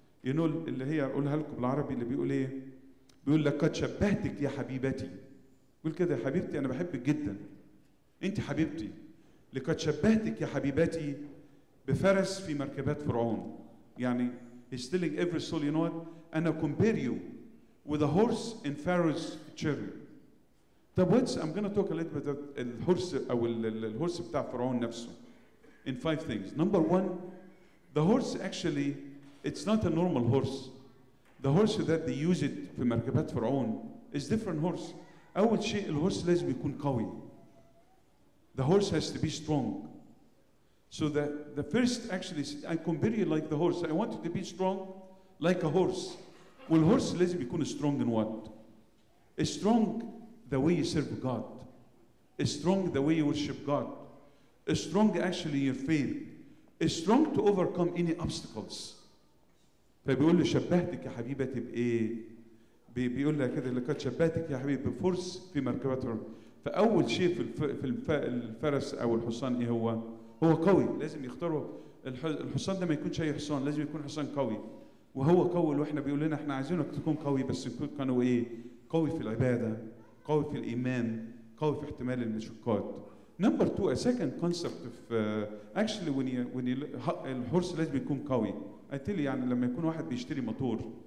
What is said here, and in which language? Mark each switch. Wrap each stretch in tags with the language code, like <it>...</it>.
<en>You know,</en> <ar>اللي هي أقولها لكم بالعربي اللي بيقول إيه؟ بيقول لك قد شبهتك يا حبيبتي. بيقول كده يا حبيبتي أنا بحبك جدا. أنت حبيبتي. لقد شبهتك يا حبيبتي بفرس في مركبات فرعون. يعني</ar> <en>he's telling every soul, you know what? And I compare you with a horse in Pharaoh's chariot.</en> <ar>طب</ar> <en>what's, I'm going to talk a little bit about</en> <ar>الهورس بتاع فرعون نفسه.</ar> <en>In five things. Number one, the horse actually, it's not a normal horse. The horse that they use it</en> <ar>في مركبات فرعون</ar> <en>is different horse.</en> <ar>أول شيء, الهورس لازم يكون قوي.</ar> <en>The horse has to be strong. So the first actually, I compare you like the horse. I want you to be strong like a horse. Well, horse</en> <ar>لازم يكون</ar> <en>strong in what? It's strong the way you serve God. It's strong the way you worship God. It's strong actually in your faith. Is strong to overcome any obstacles.</en> <ar>فبيقول له شبهتك يا حبيبتي بإيه؟ بيقول له كده لقد شبهتك يا حبيبي بفرس في مركبته. فأول شيء في الفرس أو الحصان إيه هو؟ هو قوي، لازم يختاروا الحصان ده ما يكونش اي حصان لازم يكون حصان قوي وهو قوي واحنا بيقول لنا احنا عايزينك تكون قوي بس يكون كانوا ايه قوي في العباده قوي في الايمان قوي في احتمال المشقات</ar> <en>number 2 a second concept of actually when when الهورس</en> <ar>لازم يكون قوي قلت لي يعني لما يكون واحد بيشتري موتور</ar>